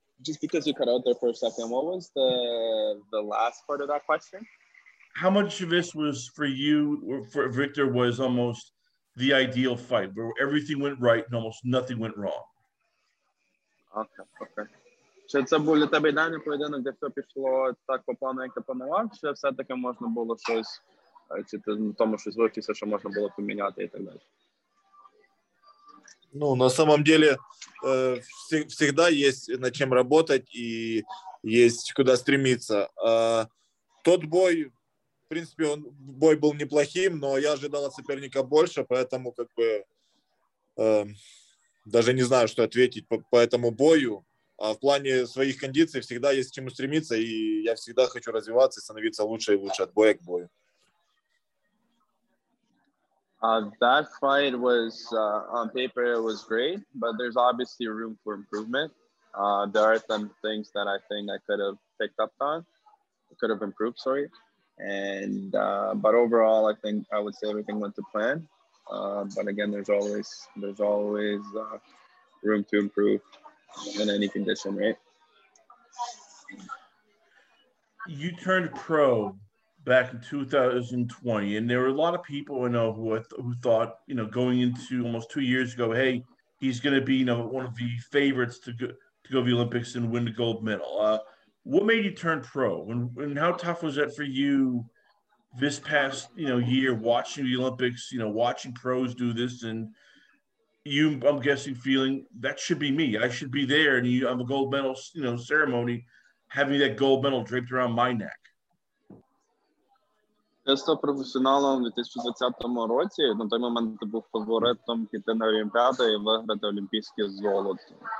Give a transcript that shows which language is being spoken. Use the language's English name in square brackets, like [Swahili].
[English] Just because you cut out there for a second, what was the last part of that question? How much of this was for you, or for Victor, was almost the ideal fight, where everything went right and almost nothing went wrong? Okay. [Ukrainian] Чи це був для тебе ідеальний поєдинок, де все пішло так по плану, як ти планував, чи все-таки можна було щось, чи ти на тому щось вивчився, що можна було поміняти і так далі? [Russian] Ну, на самом деле, всегда есть над чем работать и есть куда стремиться. Тот бой, в принципе, он, бой был неплохим, но я ожидал от соперника больше, поэтому как бы даже не знаю, что ответить по этому бою. А в плане своих кондиций всегда есть к чему стремиться, и я всегда хочу развиваться и становиться лучше и лучше от боя к бою. [English] That fight was, on paper, it was great, but there's obviously room for improvement. There are some things that I think I could have picked up on, could have improved, sorry. And but overall, I think I would say everything went to plan. But again, there's always room to improve in any condition, right? You turned pro back in 2020, and there were a lot of people, you know, who thought, you know, going into almost 2 years ago, hey, he's going to be, you know, one of the favorites to go to the Olympics and win the gold medal. What made you turn pro, and how tough was that for you this past, you know, year watching the Olympics, you know, watching pros do this, and you, I'm guessing, feeling that should be me, I should be there, and you have a gold medal, you know, ceremony, having that gold medal draped around my neck. [Ukrainian] Я став професіоналом у 2020 році. На той момент я був фаворитом піти на Олімпіаду і виграти олімпійське золото.